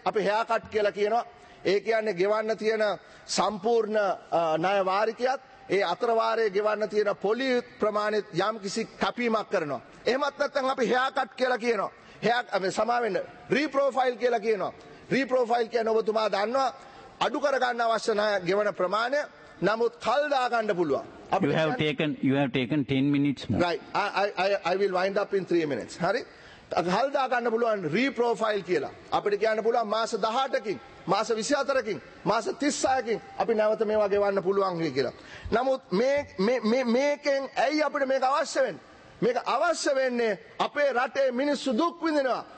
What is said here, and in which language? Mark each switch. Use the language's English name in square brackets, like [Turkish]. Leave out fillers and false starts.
[Sinhala] අපි haircut කියලා කියනවා. ඒ කියන්නේ ගෙවන්න තියෙන සම්පූර්ණ ණය වාරිකයත් ඒ අතර වාරයේ ගෙවන්න තියෙන පොලි ප්‍රමාණයත් යම්කිසි කැපීමක් කරනවා. එහෙමත් නැත්නම් අපි haircut කියලා කියනවා. haircut සමා වෙන්න reprofile කියලා කියනවා. reprofile කියන්නේ ඔබතුමා දන්නවා අඩු කර ගන්න අවශ්‍ය ණය ගෙවන ප්‍රමාණය. නමුත් කල් දා ගන්න පුළුවන්. [English] you have taken 10 minutes more. Right. I will wind up in 3 minutes. [Sinhala] හරි. කල් දා ගන්න පුළුවන් රීප්‍රොෆයිල් කියලා. අපිට කියන්න පුළුවන් මාස 18කින්, මාස 24කින්, මාස 36කින් අපි නැවත මේවා ගෙවන්න පුළුවන් වෙයි කියලා. නමුත් මේ මේ මේකෙන් ඇයි අපිට මේක අවශ්‍ය වෙන්නේ? මේක අවශ්‍ය වෙන්නේ අපේ රටේ මිනිස්සු දුක් විඳිනවා.